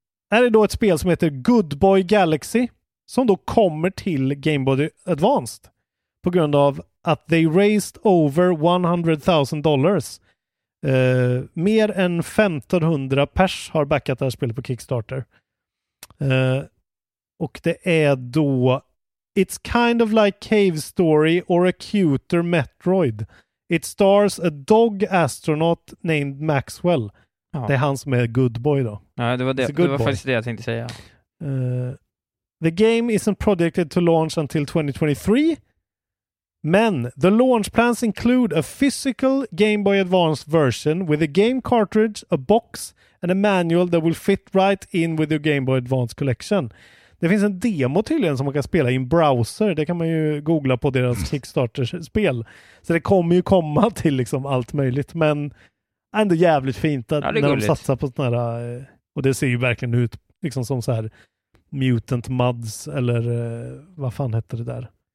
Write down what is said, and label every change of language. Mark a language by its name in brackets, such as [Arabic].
[Swedish] Är det då ett spel som heter Good Boy Galaxy som då kommer till Game Boy Advance på grund av att [English] they raised over $100,000. [Swedish] Mer än 1500 pers har backat det här spelet på Kickstarter. Och det är då [English] it's kind of like Cave Story or a cuter Metroid. It stars a dog astronaut named Maxwell. [Swedish] Ja. Det är han som är Good Boy då. Ja, det var, faktiskt det jag tänkte säga. [English] The game isn't projected to launch until 2023. Men the launch plans include a physical Game Boy Advance version with a game cartridge, a box and a manual that will fit right in with your Game Boy Advance collection. [Swedish] Det finns en demo tydligen som man kan spela i en browser. Det kan man ju googla på deras Kickstarter-spel. Så det kommer ju komma till liksom allt möjligt. Men ändå jävligt fint att ja, när gulligt. De satsar på sådana här... Och det ser ju verkligen ut liksom som så här Mutant Muds eller vad fan heter det där?